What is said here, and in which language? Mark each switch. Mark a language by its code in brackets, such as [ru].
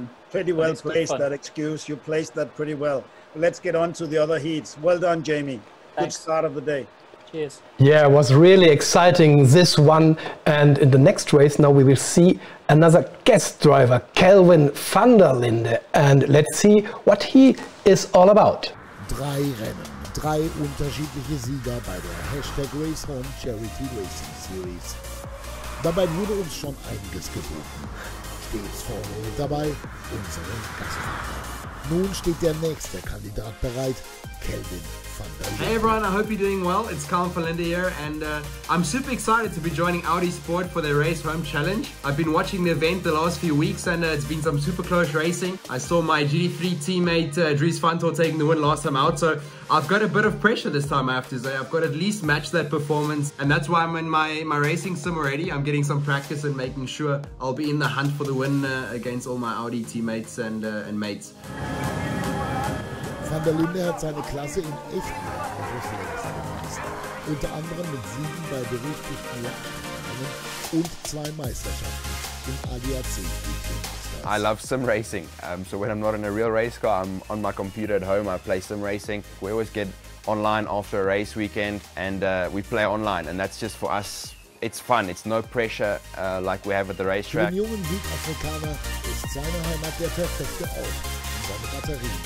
[en] Pretty well placed that excuse. You placed that pretty well. Let's get on to the other heats. Well done, Jamie. Thanks. Good start of the day. Cheers. Yeah, it was really exciting, this one. And in the next race, now we will see another guest driver, Calvin van der Linde. And let's see what he is all about. [de] Drei Rennen, drei unterschiedliche Sieger bei der Hashtag Race Home Charity Racing Series. Dabei wurde uns schon einiges geboten. Stets vorne mit dabei, unsere Gastgeber. Nun steht der nächste Kandidat bereit, Calvin. [en] Hey everyone, I hope you're doing well. It's Calvin van der Linde here, and I'm super excited to be joining Audi Sport for their Race Home Challenge. I've been watching the event the last few weeks, and it's been some super close racing. I saw my GT3 teammate Dries Fantor taking the win last time out, so I've got a bit of pressure this time, I have to say. I've got to at least match that performance, and that's why I'm in my racing sim already. I'm getting some practice and making sure I'll be in the hunt for the win against all my Audi teammates and mates. [de] Van der Linde hat seine Klasse in echten Rennen gemeistert. Unter anderem mit Siegen bei berüchtigten Rennen und zwei Meisterschaften im ADAC. [en] I love sim racing. So when I'm not in a real race car, I'm on my computer at home, I play sim racing. We always get online after a race weekend, and we play online, and that's just for us. It's fun, it's no pressure like we have at the racetrack. [de] Für den jungen Südafrikaner ist seine Heimat der perfekte Ort.